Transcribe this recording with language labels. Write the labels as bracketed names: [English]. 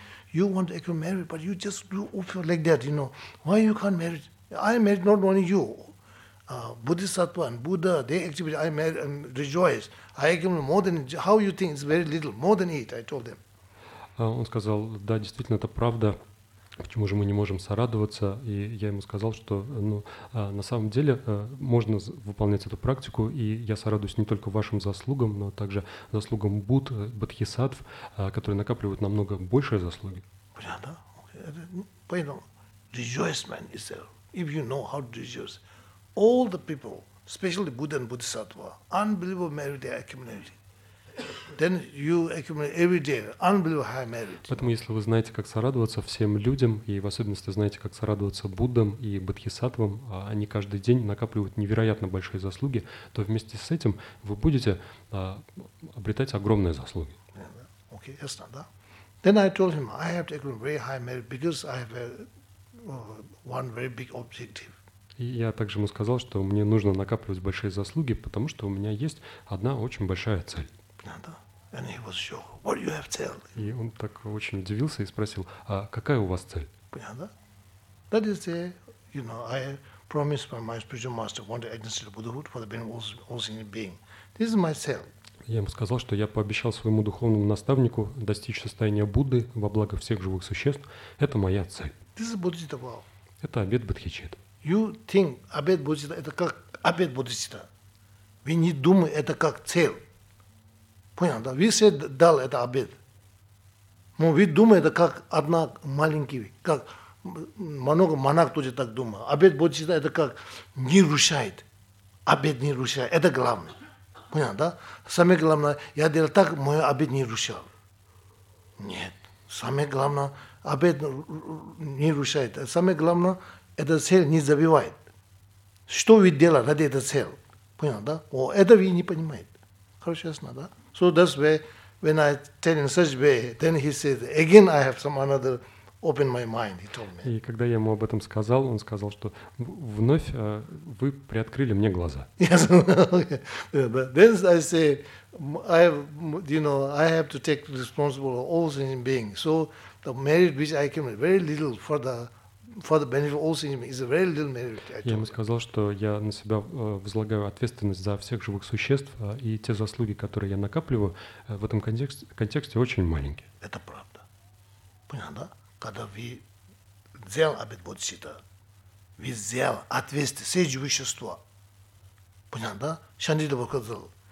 [English] You want to accumulate merit, but you just do like that, you know. Why you can't merit? I merit not only you. Bodhisattva and Buddha, they activate, I merit and rejoice. I accumulate more than, how you think it's very little, more than it, I told them. [Russian] Он сказал, да, действительно, это правда. Почему же мы не можем сорадоваться? И я ему сказал, что на самом деле можно выполнять эту практику, и я сорадуюсь не только вашим заслугам, но также заслугам Будд, Бодхисаттв, которые накапливают намного большие заслуги. Понятно? Поэтому [English] rejoicement is there. If you know how to rejoice, all the people, especially Buddha and Bodhisattva, unbelievable merit they accumulate. Then you accumulate every day unbelievable high merit. [Russian] Поэтому, если вы знаете, как сорадоваться всем людям, и в особенности знаете, как сорадоваться Буддам и Бодхисаттвам, они каждый день накапливают невероятно большие заслуги, то вместе с этим вы будете обретать огромные заслуги. [English] Okay, [Russian] ясно, да? [English] Then I told him I have to accumulate very high merit because I have one very big objective. [Russian] И я также ему сказал, что мне нужно накапливать большие заслуги, потому что у меня есть одна очень большая цель. [English] And he was sure, what you have to tell? [Russian] И он так очень удивился и спросил, а какая у вас цель? Понятно? [English] That is the, you know, I promised by my spiritual master, want the agency of Buddhahood for the benefit of all sentient beings. This is myself. [Russian] Я ему сказал, что я пообещал своему духовному наставнику достичь состояния Будды во благо всех живых существ. Это моя цель. [English] This is Bodhicitta vow. [Russian] Это обет Бодхичитты. [English] You think [Russian] обет Бодхичитты – это как обет Бодхичитты. Вы не думаете, это как цель. Понял, да? Вы все дали это обет. Но вы думаете, это как одна маленький, как много монах тоже так думает. Обет Бодхичитты – это как не рушает. Обет не рушает. Это главное. Понял, да? Самое главное, я делал так, мой обет не рушал. Нет. Самое главное, обет не рушает. Самое главное, эта цель не забивает. Что вы делали ради этой цели? Понял, да? О, это вы не понимаете. Хорошо, ясно, да? [English] So that's why, when I tell in such way, then he said, again I have some another, open my mind, he told me. [Russian] И когда я ему об этом сказал, он сказал, что вновь вы приоткрыли мне глаза. [English] Yes. Then I say, I have to take responsible for all sentient beings. So the merit which I came very little for the benefit of all sentient beings is a very little merit. [Russian] Я ему сказал, что я на себя возлагаю ответственность за всех живых существ, и те заслуги, которые я накапливаю в этом контексте очень маленькие. Это правда. Понял, да? Когда вы взял обет Бодхисиддхи, вы взял ответственность за все живые существа. Понял, да? Шандита показал.